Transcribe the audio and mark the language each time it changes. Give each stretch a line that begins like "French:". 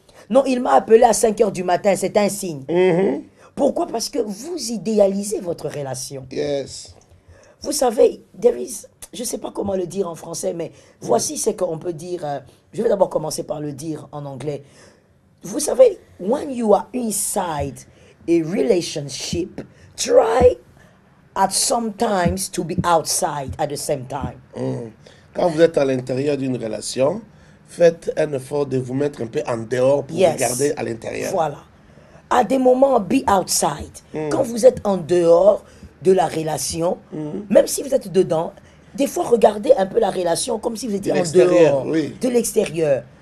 French: Non, il m'a appelé à 5 heures du matin, c'est un signe. Pourquoi? Parce que vous idéalisez votre relation.
English: Yes.
French: Vous savez, je ne sais pas comment le dire en français, mais voici ce qu'on peut dire. Je vais d'abord commencer par le dire en anglais. Vous savez,
English: when you are inside a relationship, try at some times to be outside at the same time.
French: Quand vous êtes à l'intérieur d'une relation, faites un effort de vous mettre un peu en dehors pour vous garder à l'intérieur. Voilà. À des moments,
English: be outside.
French: Quand vous êtes en dehors de la relation, même si vous êtes dedans, des fois, regardez un peu la relation comme si vous étiez de l'extérieur.